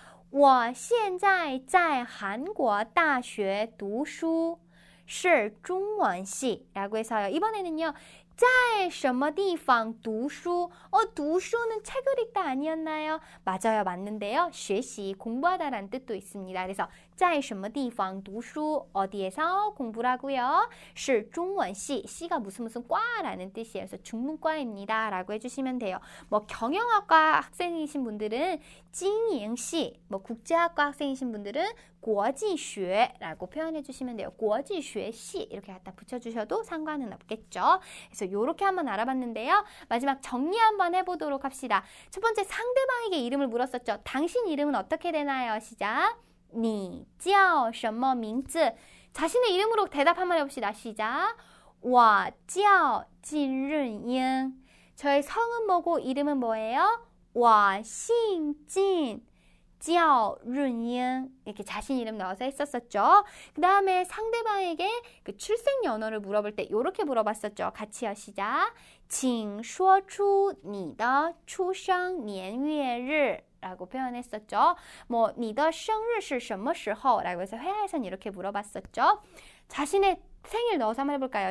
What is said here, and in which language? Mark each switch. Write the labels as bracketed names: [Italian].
[Chinese] 我现在在韩国大学读书，是中文系. [Korean] 라고 해서요. 이번에는요, 在什么地方读书? 读书는 책을 읽다 아니었나요? 맞아요, 맞는데요. 学习, 공부하다라는 뜻도 있습니다. 그래서 在什么地方读书? 어디에서 공부라고요? 是中文系, 시가 무슨 무슨 과라는 뜻이에요. 그래서 중문과입니다. 라고 해주시면 돼요. 뭐 경영학과 학생이신 분들은 经营系, 뭐 국제학과 학생이신 분들은 国际学 라고 표현해 주시면 돼요. 国际学系 이렇게 갖다 붙여주셔도 상관은 없겠죠. 그래서 이렇게 한번 알아봤는데요. 마지막 정리 한번 해보도록 합시다. 첫 번째 상대방에게 이름을 물었었죠. 당신 이름은 어떻게 되나요? [Chinese] 시작. 你叫什么名字? [Korean] 자신의 이름으로 대답 한번 해봅시다. [Chinese] 시작. 我叫金润英. [Korean] 저의 성은 뭐고 이름은 뭐예요? [Chinese] 我姓金.叫润英. [Korean] 이렇게 자신 이름 넣어서 했었었죠. 그 다음에 상대방에게 그 출생연호를 물어볼 때 이렇게 물어봤었죠. 같이 하시자. [Chinese] 请说出你的出生年月日. [Korean] 라고 표현했었죠. [Chinese] 뭐, 你的生日是什么时候? [Korean] 라고 해서 회화에서는 이렇게 물어봤었죠. 자신의 생일 넣어서 한번 해볼까요?